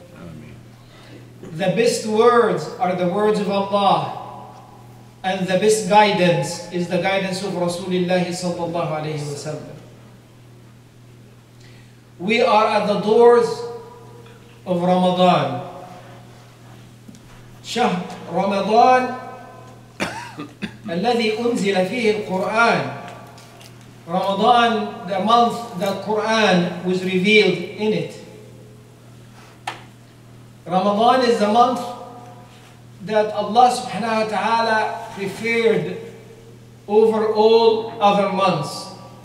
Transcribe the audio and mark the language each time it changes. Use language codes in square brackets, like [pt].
[en] Amen. The best words are the words of Allah, and the best guidance is the guidance of Rasulullah sallallahu alayhi wa sallam. We are at the doors of Ramadan. [ar] شهر رمضان الذي أنزل فيه القرآن. [en] Ramadan, the month that Quran was revealed in it. Ramadan is the month that Allah subhanahu wa ta'ala preferred over all other months.